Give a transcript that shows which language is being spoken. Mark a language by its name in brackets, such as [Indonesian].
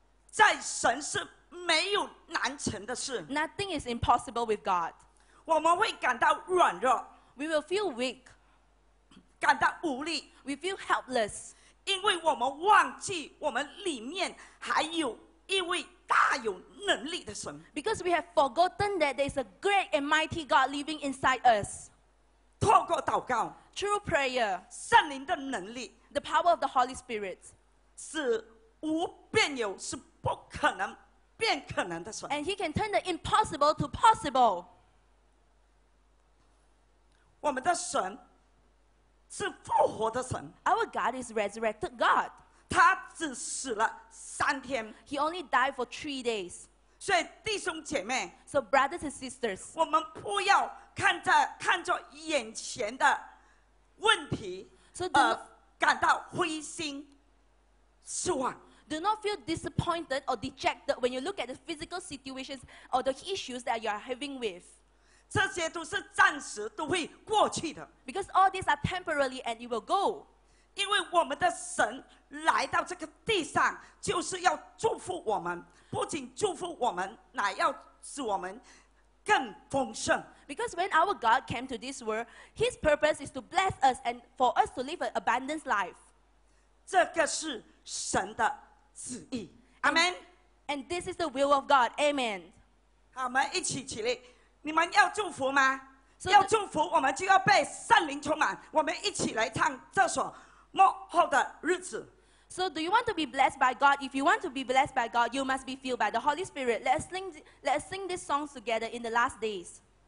[Chinese] 在神是没有难成的事。 [English] Nothing is impossible with God. [Chinese] 我们会感到软弱。 [English] We will feel weak, [Chinese] 感到无力 [English] We feel helpless, [Chinese] 因为我们忘记我们里面还有一位大有能力的神 [English] Because we have forgotten that there is a great and mighty God living inside us. [Chinese] 透过祷告 [English] through prayer, [Chinese] 圣灵的能力 [English] the power of the Holy Spirit, [Chinese] 是无变有，是不可能变可能的神 [English] And He can turn the impossible to possible. [Chinese] 我们的神是复活的神。 [English] Our God is resurrected God. [Chinese] 他只死了三天。 [English] He only died for three days. [Chinese] 所以弟兄姐妹 [English] ，So brothers and sisters， [Chinese] 我们不要看着眼前的问题而感到灰心失望。 [English] Do not feel disappointed or dejected when you look at the physical situations or the issues that you are having with. [Chinese] 这些都是暂时都会过去的 [English] Because all these are temporary and it will go [Chinese] 因为我们的神来到这个地上就是要祝福我们不仅祝福我们乃要使我们更丰盛 [English] Because when our God came to this world His purpose is to bless us and for us to live an abundant life [Chinese] 这个是神的旨意 Amen [English] and this is the will of God Amen [Chinese] 好我们一起起立你们要祝福吗？So、要祝福，我们就要被圣灵充满。我们一起来唱这首《幕后的日子》。 [English] So, do you want to be blessed by God? If you want to be blessed by God, you must be filled by the Holy Spirit. Let's sing this song together in the last days.